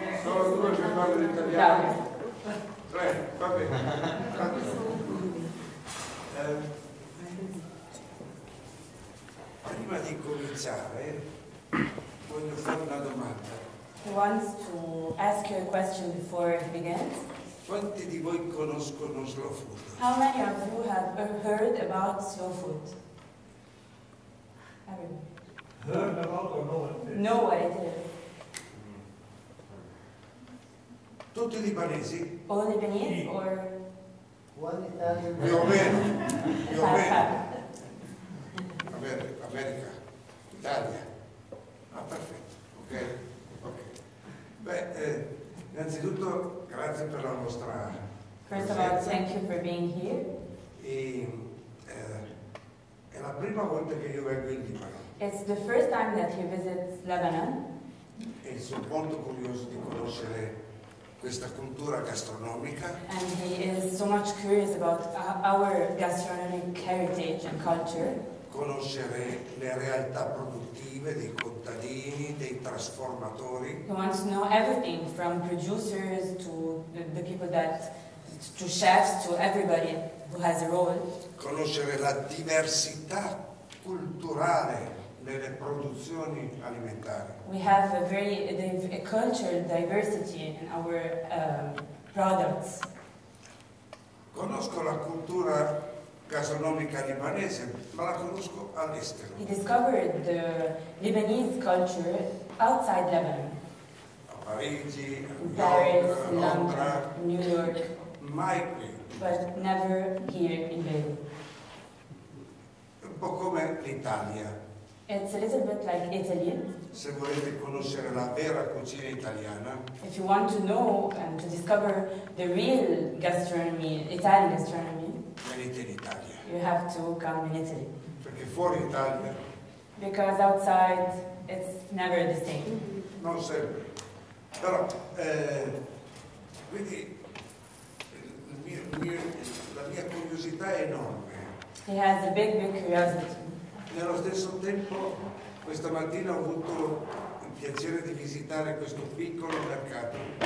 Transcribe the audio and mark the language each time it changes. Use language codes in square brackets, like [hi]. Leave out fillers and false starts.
[it] Sono due che parlano italiano. Tre, va bene. Prima di cominciare, voglio fare una domanda. [en] Who wants to ask you a question before it begins? [it] Quanti di voi conoscono Slow Food? [en] How many of you have heard about Slow Food? Heard about or know what it is? [it] Tutti libanesi? [en] All Lebanese or? One Italian. [it] Più o meno. America, Italia. Ah, perfetto, ok? Ok. Beh, innanzitutto grazie per la nostra presenza. [en] First of all, thank you for being here. [it] E, è la prima volta che io vengo in Libano. [en] It's the first time that you visit Lebanon. [it] E sono molto curioso di conoscere questa cultura gastronomica. [en] And he is so much curious about our gastronomic heritage and culture. [it] Conoscere le realtà produttive dei contadini, dei trasformatori. [en] He wants to know everything from producers to the people that to chefs to everybody who has a role. [it] Conoscere la diversità culturale nelle produzioni alimentari. [en] We have a very a cultural diversity in our products. [it] Conosco la cultura gastronomica libanese, ma la conosco all'estero. [en] He discovered the Lebanese culture outside Lebanon. [it] A Parigi, Londra, New York. Mai qui. [en] But never here in Lebanon. [it] Un po' come l'Italia. [en] It's a little bit like Italy. [it] Se volete conoscere la vera cucina italiana. [en] If you want to know and to discover the real gastronomy, Italian gastronomy. [it] Venite in Italia. [en] You have to come in Italy. [it] Perché fuori Italia. [en] Because outside it's never the same. [it] Non sempre. Però, quindi, la mia curiosità è enorme. [en] He has a big curiosity. [it] Nello stesso tempo, questa mattina ho avuto il piacere di visitare questo piccolo mercato.